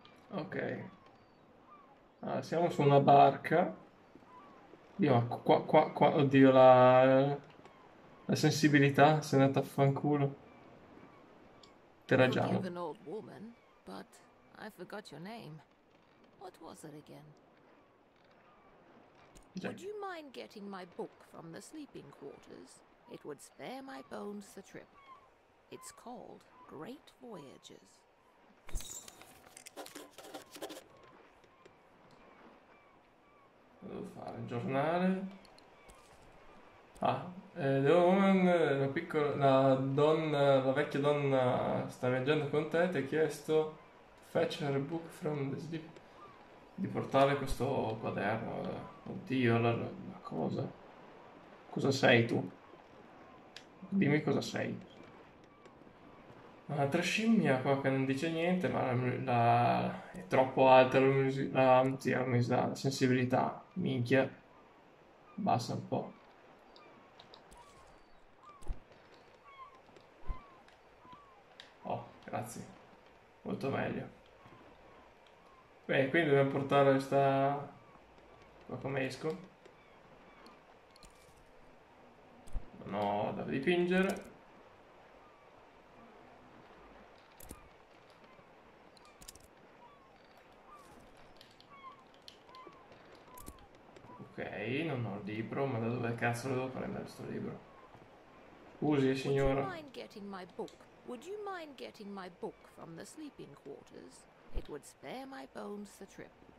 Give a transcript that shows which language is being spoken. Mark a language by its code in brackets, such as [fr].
[it] Ok. Allora, siamo su una barca. Oddio, qua, oddio, la sensibilità se n'è andata a fanculo. [en] Forgive [it] Interagiamo. [en] an old woman, but I forgot your name. What was it again? Would you mind getting my book from the sleeping quarters? It would spare my bones the trip. It's called Great Voyages. [it] Devo fare il giornale. Ah, Woman, la vecchia donna sta viaggiando con te. Ti ha chiesto [en] fetch her book from the sleep. [it] Di portare questo quaderno. Oddio, la cosa. Cosa sei tu? Dimmi cosa sei. Un'altra scimmia qua che non dice niente, ma è troppo alta la sensibilità. Minchia. Bassa un po'. Oh, grazie. Molto meglio. Beh, quindi dobbiamo portare questa. Come esco? Non ho da dipingere. Ok, non ho il libro, ma da dove cazzo lo devo prendere questo libro? Scusi, [en] Would you [it] signora. [en] mind getting my book? Would you mind getting my book from the sleeping quarters? It would spare my bones the trip.